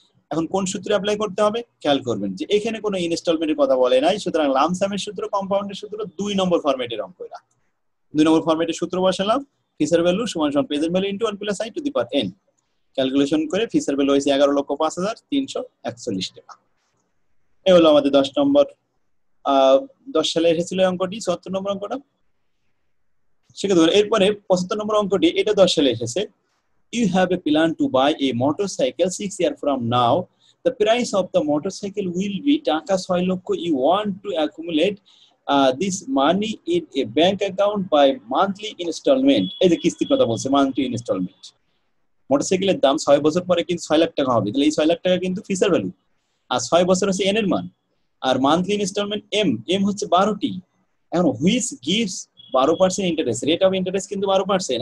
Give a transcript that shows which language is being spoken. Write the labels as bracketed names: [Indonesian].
[Bangla] এখন কোন সূত্রে অ্যাপ্লাই করতে হবে, খেয়াল করবেন যে এখানে কোনো ইনস্টলমেন্টের কথা বলে নাই, সুতরাং লামসামের সূত্র কম্পাউন্ডের সূত্র দুই নম্বর ফরম্যাটের অঙ্ক, এরা দুই নম্বর ফরম্যাটের সূত্র বসালাম, ফিউচার ভ্যালু সমান সমান present value into 1+i^n, calculation করে ফিউচার ভ্যালু হয়েছে 11,05,341 টাকা। এ হলো আমাদের 10 নম্বর, 10 সালে এসেছিল অঙ্কটি, 77 নম্বর অঙ্কটা শিখে ধরে। এরপরে 75 নম্বর অঙ্কটি, এটা 10 সালে এসেছে, [English] You have a plan to buy a motorcycle 6 year from now, the price of the motorcycle will be taka 6 lakh. You want to accumulate this money in a bank account by monthly installment. [Bangla] এই যে কিস্তির কথা বলছে, [English] monthly installment. [Bangla] মোটরসাইকেলের দাম 6 বছর পরে কিন্তু 6 লাখ টাকা হবে, তাহলে এই 6 লাখ টাকা কিন্তু ফিউচার ভ্যালু, আর 6 বছর হচ্ছে এন এর মান, আর মান্থলি ইনস্টলমেন্ট এম, এম হচ্ছে 12টি। [English] এখন which gives 12% interest, rate of interest কিন্তু 12%।